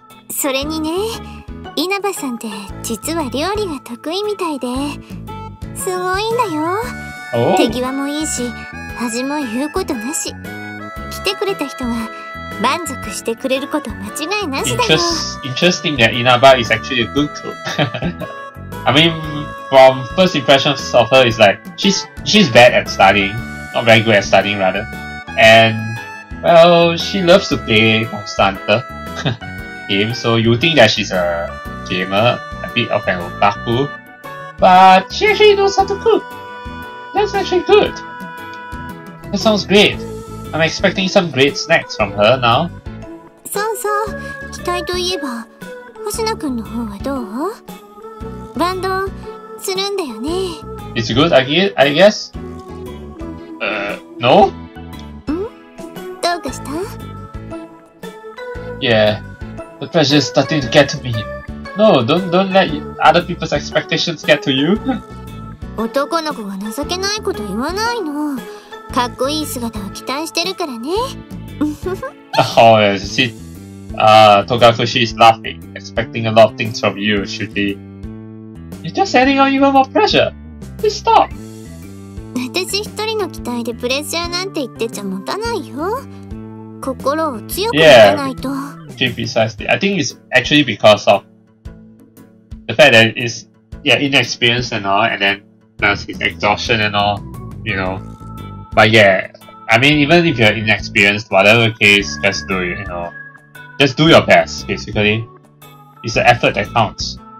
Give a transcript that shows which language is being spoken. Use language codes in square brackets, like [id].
[ja] それにね、稲葉さんって実は料理が得意みたいで、すごいんだよ。手際もいいし、味も言うことなし。来てくれた人が満足してくれること間違いなしだよ。 [en] Interesting that 稲葉 is actually a good cook. I mean, from first impressions of her, is like she's bad at studying, not very good at studying rather, and well, she loves to play Monster Hunter game, so you think that she's a gamer, a bit of an otaku, but she actually knows how to cook. That's actually good. That sounds great. I'm expecting some great snacks from her now. [ja] So, 期待といえば、星野君の方はどう? バンドするんだよね。 [en] It's good, I guess? No? [ja] どうかした? [en] Yeah, the pressure is starting to get to me. No, don't let other people's expectations get to you. [ja] 男の子は情けないこと言わないの。かっこいい姿を期待してるからね。 [en] Oh, yes, see, Togakushi is laughing, expecting a lot of things from you, Shuuji. You're just adding on even more pressure. Please stop. [ja] 私一人の期待でプレッシャーなんて言ってちゃ持たないよ。心を強く持たないと。 [en] Yeah, precisely. I think it's actually because of the fact that it's inexperienced and all, and then plus it's exhaustion and all, you know. But yeah, I mean, even if you're inexperienced, whatever case, just do your best, basically. It's the effort that counts.